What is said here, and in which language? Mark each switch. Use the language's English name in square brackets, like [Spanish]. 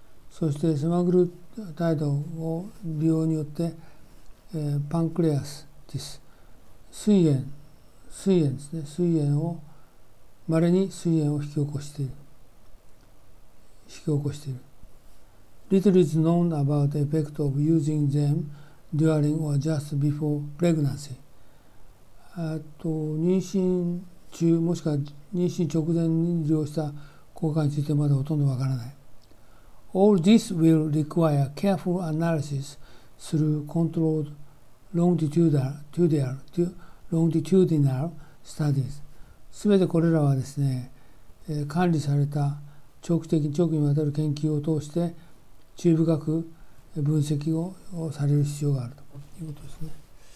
[Japanese] そしてセマグルタイドを利用によって、パンクレアスティス、膵炎ですね。稀に膵炎を引き起こしている。 [English] Little is known about the effect of using them during or just before pregnancy. [Japanese] 妊娠中、もしくは妊娠直前に利用した効果についてまだほとんどわからない。 [English] All this will require careful analysis through controlled longitudinal studies. [Japanese] 全てこれらはですね、管理された長期にわたる研究を通して注意深く分析をされる必要があるということですね。